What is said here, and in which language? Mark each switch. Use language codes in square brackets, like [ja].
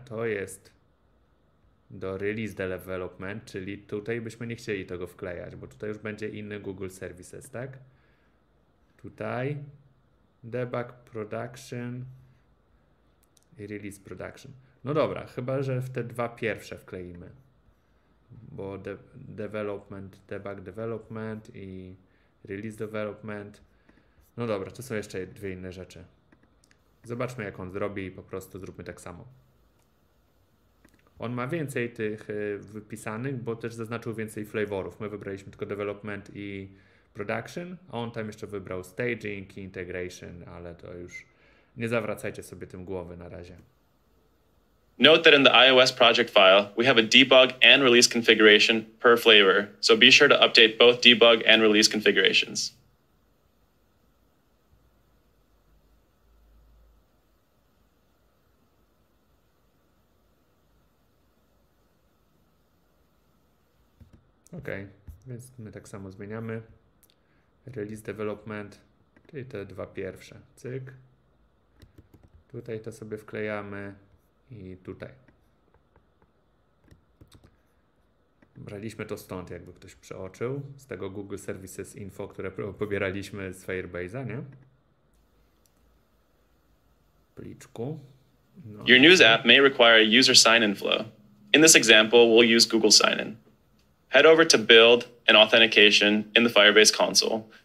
[pl] To jest do release development, czyli tutaj byśmy nie chcieli tego wklejać, bo tutaj już będzie inny Google Services, tak? Tutaj debug production i release production. No dobra, chyba że w te dwa pierwsze wkleimy. Bo development, debug development i release development. No dobra, to są jeszcze dwie inne rzeczy. Zobaczmy, jak on zrobi i po prostu zróbmy tak samo. On ma więcej tych wypisanych, bo też zaznaczył więcej flavorów. My wybraliśmy tylko development i production, a on tam jeszcze wybrał staging i integration, ale to już nie zawracajcie sobie tym głowy na razie. [en] Note that in the iOS project file, we have a debug and release configuration per flavor, so be sure to update both debug and release configurations. [pl] Okay, więc my tak samo zmieniamy release development, czyli te dwa pierwsze, cyk. Tutaj to sobie wklejamy. I tutaj. Braliśmy to stąd, jakby ktoś przeoczył, z tego Google Services Info, które pobieraliśmy z Firebase'a, nie? Pliczku. No. [en] Your news app may require a user sign-in flow. In this example, we'll use Google Sign-in. Head over to Build and Authentication in the Firebase console.